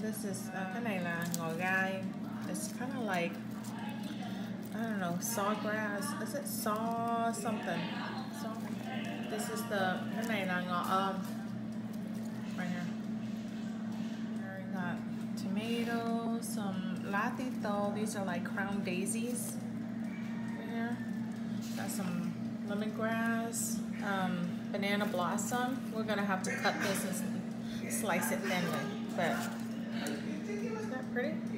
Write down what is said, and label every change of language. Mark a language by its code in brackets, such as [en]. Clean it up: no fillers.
[en] This is [vi] cái này là ngò gai. [en] It's kind of like, I don't know, sawgrass. Is it saw something? Saw. This is the [vi] cái này là ngò [en] right here. There we got tomatoes, some lá tí tô. These are like crown daisies. Right here. Got some lemongrass, banana blossom. We're gonna have to cut this and slice it thinly. But isn't that pretty?